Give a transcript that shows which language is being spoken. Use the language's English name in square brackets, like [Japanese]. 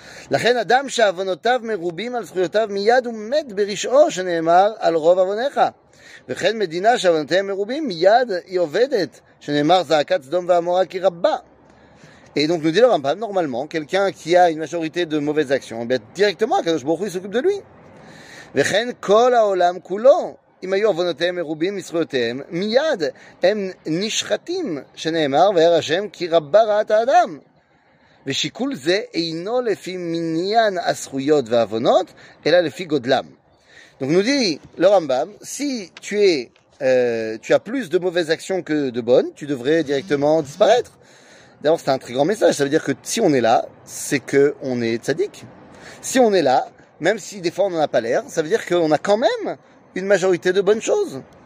[French] Et donc nous dit le Rambam, normalement, quelqu'un qui a une majorité de mauvaises actions, ben directement, Kadosh Baruch Hu s'occupe de lui. [Hebrew] וכן כל העולם כולו, אם היו עוונותיהם מרובים מזכויותיהם, מיד הם נשחטים, שנאמר, וירא השם, כי רבה ראת האדם. ושיקול זה אינו לפי מניין הזכויות והעוונות, אלא לפי גודלם. [French] Donc nous dit le Rambam, si tu es, tu as plus de mauvaises actions que de bonnes, tu devrais directement disparaître. D'ailleurs, c'est un très grand message, ça veut dire que si on est là, c'est qu'on est tzadik. Si on est là, même si des fois on n'en a pas l'air, ça veut dire qu'on a quand même une majorité de bonnes choses.